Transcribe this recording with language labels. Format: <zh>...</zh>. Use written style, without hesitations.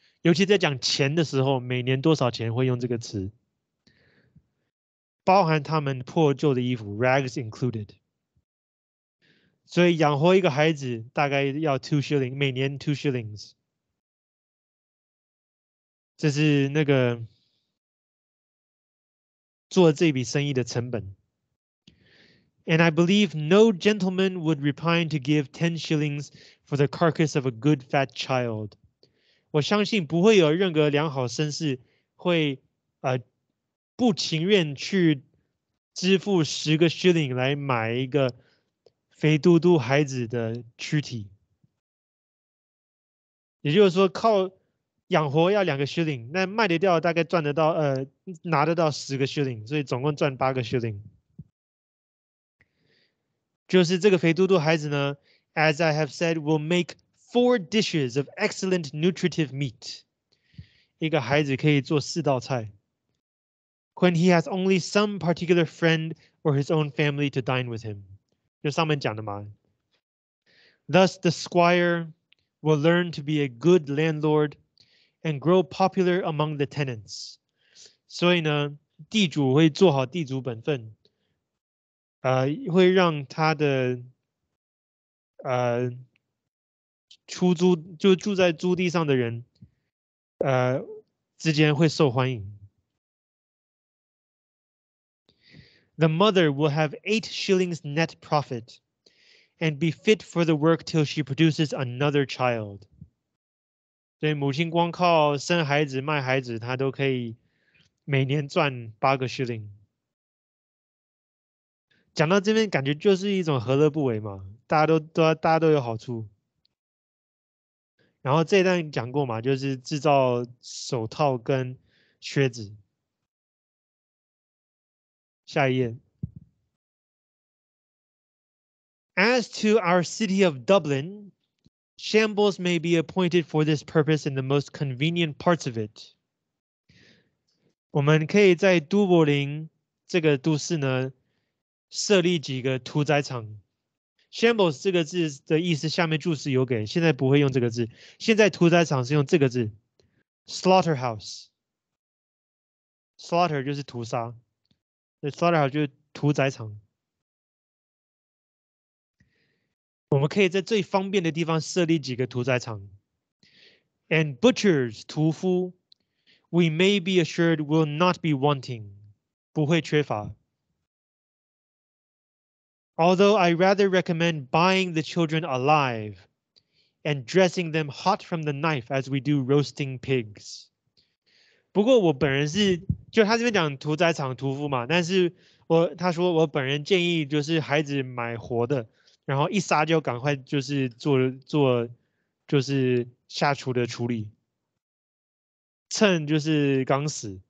<zh>尤其在讲钱的时候，每年多少钱会用这个词，包含他们破旧的衣服 ， rags included。所以养活一个孩子大概要2 shillings， 每年2 shillings。这是那个做这笔生意的成本。</zh> <en>And I believe no gentleman would repine to give 10 shillings for the carcass of a good fat child.</en> <zh>我相信不会有任何良好绅士会不情愿去支付10 shillings 来买一个肥嘟嘟孩子的躯体。也就是说靠养活要2 shillings， 那卖得掉大概赚得到拿得到10 shillings， 所以总共赚8 shillings。就是这个肥嘟嘟孩子呢</zh> <en>,as I have said, will make4 dishes of excellent nutritive meat.</en> <zh>一个孩子可以做4道菜。</zh> <en>When he has only some particular friend or his own family to dine with him.</en> <zh>就上面讲的嘛。</zh> <en>Thus the squire will learn to be a good landlord and grow popular among the tenants.</en> <zh>所以呢，地主会做好地主本分，会让他的出租就住在租地上的人之间会受欢迎。</zh> <en>The mother will have 8 shillings net profit and be fit for the work till she produces another child.</en> <zh>所以母亲光靠生孩子卖孩子她都可以每年赚8 shillings。讲到这边感觉就是一种何乐不为嘛，大家都有好处。然后这一段讲过嘛，就是制造手套跟靴子。下一页。</zh> <en>As to our city of Dublin, shambles may be appointed for this purpose in the most convenient parts of it.</en> <zh>我们可以在都柏林这个都市呢，设立几个屠宰场。 Shambles 这个字的意思，下面注释有给，现在不会用这个字。现在屠宰场是用这个字 ，slaughterhouse。 Slaughter 就是屠杀 ，slaughterhouse 就是屠宰场。我们可以在最方便的地方设立几个屠宰场。</zh> <en>And butchers 屠夫 ，we may be assured will not be wanting，</en> <zh>不会缺乏。</zh> <en>Although I rather recommend buying the children alive and dressing them hot from the knife as we do roasting pigs.</en> <zh>不过我本人是，就他这边讲屠宰场屠夫嘛，但是我他说我本人建议就是孩子买活的，然后一杀就赶快就是做就是下厨的处理，趁就是刚死。</zh>